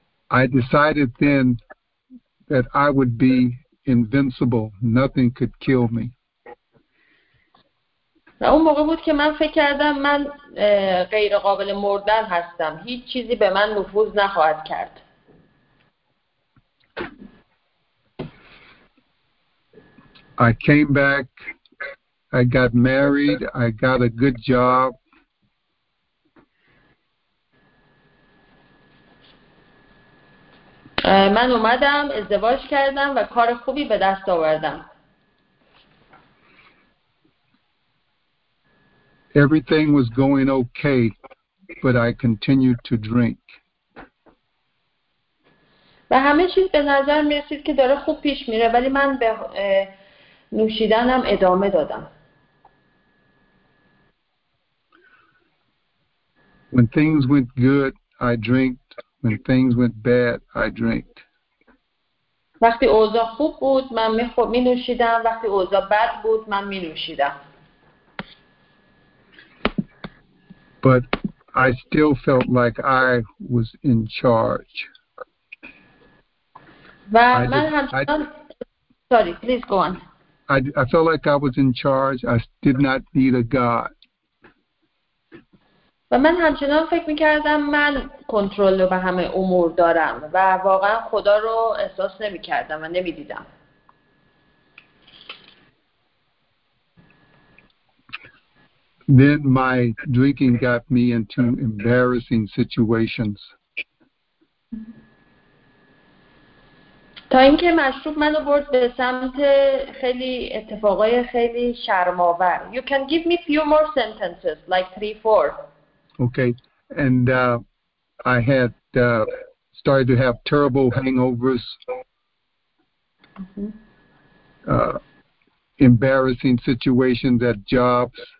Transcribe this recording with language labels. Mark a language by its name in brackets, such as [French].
[English] I decided then that I would be invincible. Nothing could kill me. [Persian] و اون موقع بود که من فکر کردم من غیر قابل مردن هستم. هیچ چیزی به من نفوذ نخواهد کرد. [English] I came back. I got married. I got a good job. [Persian] من اومدم، ازدواج کردم و کار خوبی به دست آوردم. [English] Everything was going okay, but I continued to drink. [Persian] و همه چیز به نظر می رسید که داره خوب پیش میره ولی من به نوشیدنم ادامه دادم. [English] When things went good, I drank. When things went bad, I drank. [Persian] وقتی اوضاع خوب بود من می نوشیدم، وقتی اوضاع بد بود من می نوشیدم. [English] But I still felt like I was in charge. I felt like I was in charge. I did not need a God. [Persian] و من همچنان فکر می‌کردم من کنترل رو به همه امور دارم و واقعاً خدا رو احساس نمی‌کردم و نمی‌دیدم. [English] The Then my drinking got me into embarrassing situations. [Persian] تا اینکه مشروب منو برد به سمت خیلی اتفاقای خیلی شرم‌آور. [English] You can give me few more sentences, like 3-4. Okay, and I had started to have terrible hangovers, embarrassing situations at jobs.